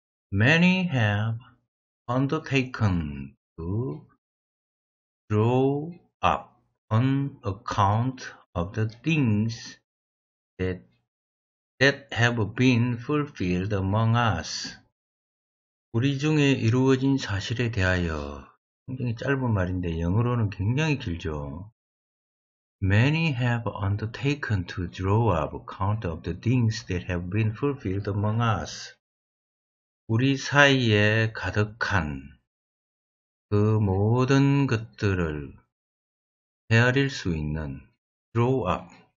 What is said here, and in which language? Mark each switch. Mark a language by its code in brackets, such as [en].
[en] Many have undertaken to draw up an account of the things that have been fulfilled among us. [ko] 우리 중에 이루어진 사실에 대하여 굉장히 짧은 말인데 영어로는 굉장히 길죠. [en] Many have undertaken to draw up account of the things that have been fulfilled among us. [ko] 우리 사이에 가득한 그 모든 것들을 헤아릴 수 있는 [en] draw up.